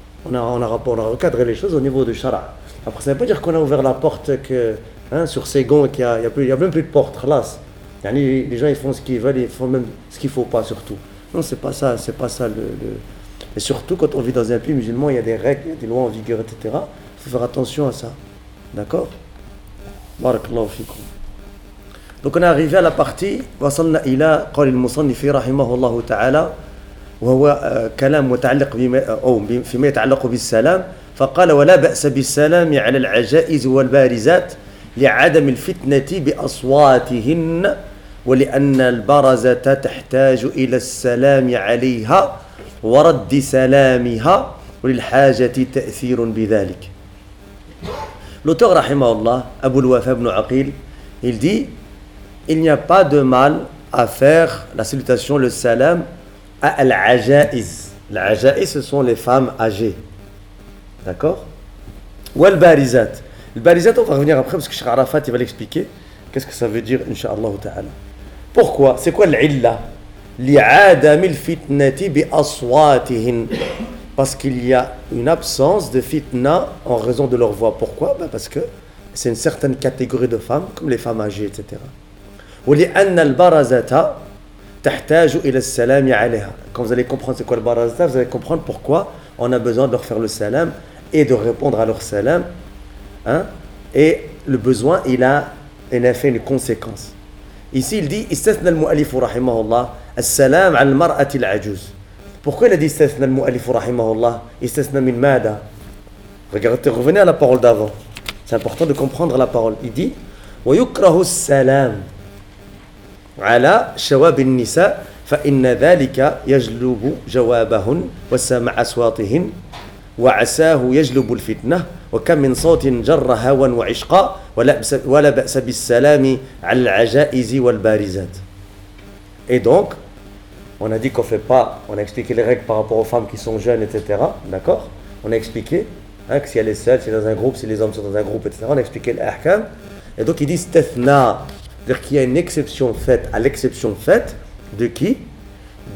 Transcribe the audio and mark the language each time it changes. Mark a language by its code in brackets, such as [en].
[fr] On a recadré les choses au niveau du shara. Après, ça ne veut pas dire qu'on a ouvert la porte que, sur ses gonds, qu'il n'y a même plus de porte, khalas. Les gens ils font ce qu'ils veulent, ils font même ce qu'il ne faut pas, surtout. Non, ce n'est pas ça. C'est pas ça le... Et surtout, quand on vit dans un pays musulman, il y a des règles, des lois en vigueur, etc. Il faut faire attention à ça. D'accord ? Barakallahu fikoum. Donc on est arrivé à la partie [ar] وصلنا الى قول المصنف رحمه الله تعالى وهو كلام متعلق بما او فيما يتعلق بالسلام فقال ولا باس بالسلام على العجائز والبارزات لعدم الفتنه باصواتهن ولان البرزه تحتاج الى السلام عليها ورد سلامها وللحاجه تاثير بذلك. [fr] L'auteur رحمه الله ابو الوفاء بن عقيل il dit il n'y a pas de mal à faire la salutation, le salam, à al-ajaiz. Al-ajaiz, ce sont les femmes âgées. D'accord ? Ou al-barizat. Al-barizat, on va revenir après, parce que Cheikh Arafat, il va l'expliquer. Qu'est-ce que ça veut dire, incha'Allah ta'ala ? Pourquoi ? C'est quoi l'illa ? [ar] Li'adami al-fitnati bi-aswatihin. [fr] Parce qu'il y a une absence de fitna en raison de leur voix. Pourquoi ? Ben parce que c'est une certaine catégorie de femmes, comme les femmes âgées, etc. [ar] ولأن البرزات تحتاج إلى السلام عليها. [fr] Quand vous allez comprendre c'est quoi le barazata, vous allez comprendre pourquoi on a besoin de leur faire le salam et de répondre à leur salam. Et le besoin, il a un effet, une conséquence. Ici, il dit [ar] استثنى المؤلف رحمه الله السلام على المرأة العجوز. [fr] Pourquoi il a dit [ar] استثنى المؤلف رحمه الله استثنى من ماذا؟ [fr] Regardez, revenez à la parole d'avant. C'est important de comprendre la parole. Il dit [ar] ويكره السلام على شواب النساء فإن ذلك يجلب جوابهن وسمع أصواتهن وعساه يجلب الفتنة وكم من صوت جر هوى وعشقا ولا بأس بالسلام على العجائز والبارزات. [fr] Et donc on a dit qu'on fait pas, on a expliqué les règles par rapport aux femmes qui sont jeunes, etc. D'accord, on a expliqué que si elle est seule, si dans un groupe, si les hommes sont dans un groupe, etc. On a expliqué l'ahkam. Et donc il dit stethna, c'est-à-dire qu'il y a une exception faite, à l'exception faite, de qui ?